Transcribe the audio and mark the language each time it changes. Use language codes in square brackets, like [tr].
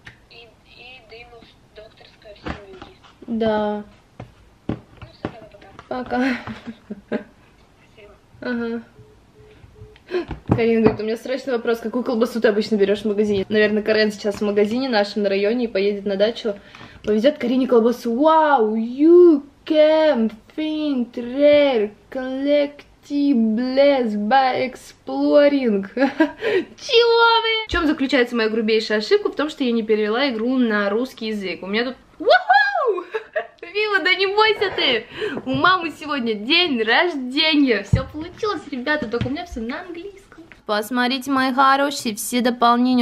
[ru] И дымов докторская в семье. Да. Ну все, тогда пока. Пока. Спасибо. Ага. Карина говорит, у меня срочный вопрос, какую колбасу ты обычно берешь в магазине? Наверное, Карен сейчас в магазине нашем на районе и поедет на дачу. Повезет Карине колбасу. [en] Вау, you can find rare collectibles by exploring. [ru] Чего вы? В чем заключается моя грубейшая ошибка? В том, что я не перевела игру на русский язык. У меня тут... Вива, да не бойся ты! У мамы сегодня день рождения! Все получилось, ребята, только у меня все на английском. Посмотрите, мои хорошие, все дополнения.